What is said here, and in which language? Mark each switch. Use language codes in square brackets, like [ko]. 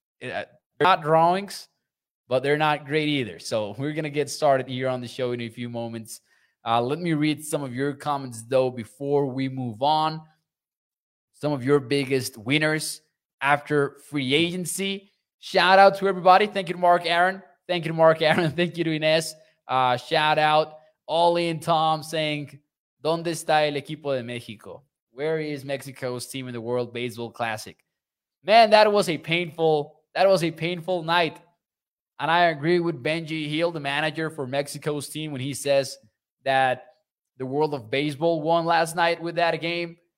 [en] They're not drawings, but they're not great either. So we're going to get started here on the show in a few moments. Let me read some of your comments, though, before we move on. Some of your biggest winners after free agency. Shout out to everybody. Thank you to Mark Aaron. Thank you to Mark Aaron. Thank you to Ines. Shout out All In Tom saying, [es] ¿Dónde está el equipo de México? [en] Where is Mexico's team in the World Baseball Classic? Man, that was a painful night. And I agree with Benji Hill, the manager for Mexico's team, when he says that the world of baseball won last night with that game.